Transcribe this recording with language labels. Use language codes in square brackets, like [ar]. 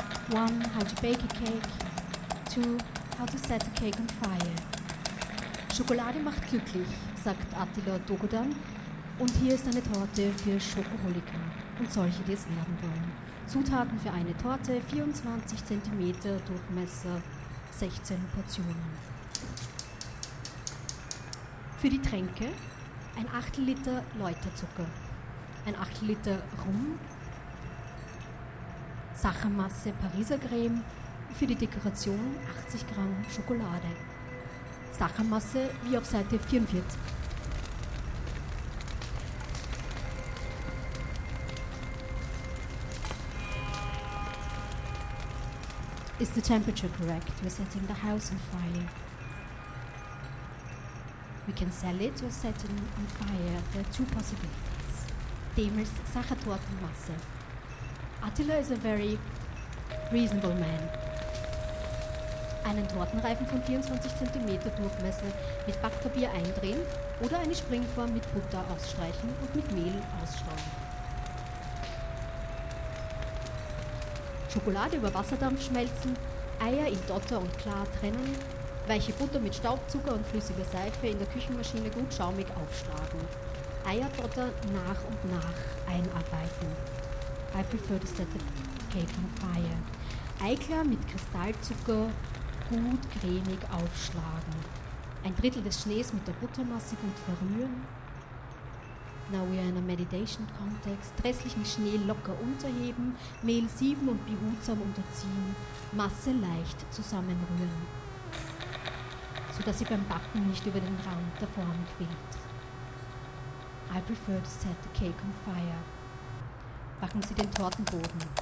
[en] One, how to bake a cake. Two, how to set a cake on fire. [de] Schokolade macht glücklich, sagt Attila Dogudan. Und hier ist eine Torte für Schokoholiker und solche, die es werden wollen. Zutaten für eine Torte, 24 cm Durchmesser, 16 Portionen. Für die Tränke, ein 8 Liter Läuterzucker, ein 8 Liter Rum, Sachermasse Pariser Creme, für die Dekoration 80 Gramm Schokolade. Sachermasse wie auf Seite 44. [en] Is the temperature correct? We're setting the house on fire. We can sell it or set it on fire. There are two possibilities. [de] Demels Sachertortenmasse. [en] Attila is a very reasonable man. [de] Einen Tortenreifen von 24 cm Durchmesser mit Backpapier eindrehen oder eine Springform mit Butter ausstreichen und mit Mehl ausstreuen. Schokolade über Wasserdampf schmelzen, Eier in Dotter und Klar trennen, weiche Butter mit Staubzucker und flüssiger Seife in der Küchenmaschine gut schaumig aufschlagen. Eierdotter nach und nach einarbeiten. [en] I prefer to set the cake on fire. [de] Eiklar mit Kristallzucker gut cremig aufschlagen. Ein Drittel des Schnees mit der Buttermasse gut verrühren. [en] Now we are in a meditation context. [de] Restlichen Schnee locker unterheben, Mehl sieben und behutsam unterziehen, Masse leicht zusammenrühren, sodass sie beim Backen nicht über den Rand der Form quillt. [en] I prefer to set the cake on fire. [de] Backen Sie den Tortenboden.